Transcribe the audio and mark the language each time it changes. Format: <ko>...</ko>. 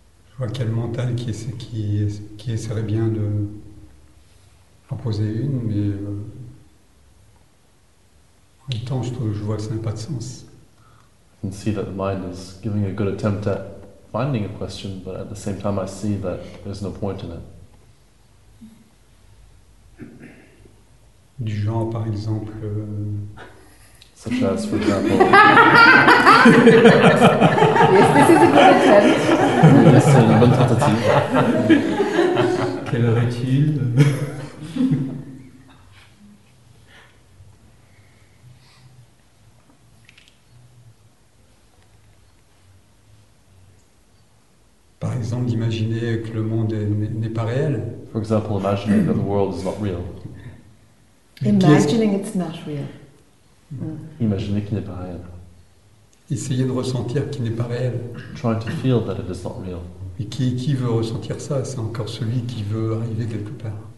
<fr>Je vois qu'il y a le mental qui essaierait bien de en poser une, mais en même temps, je vois que ça n'a pas de sens.</fr> <en>I can see that the mind is giving a good attempt at finding a question, but at the same time, I see that there's no point in it.</en> <fr>Du genre, par exemple.</fr> <en>Such as, for example. Yes, this is a good attempt.</en> <fr>Yes, c'est une bonne tentative. Quelle heure est-il? Par exemple, d'imaginer que le monde n'est pas réel.</fr> <en>For example, imagining that the world is not real. Imagining it's not real.</en> <fr>Mm. Imaginer qu'il n'est pas réel. Essayer de ressentir qu'il n'est pas réel.</fr> <en>Trying to feel that it is not real.</en> <fr>Et qui veut ressentir ça? C'est encore celui qui veut arriver quelque part.</fr>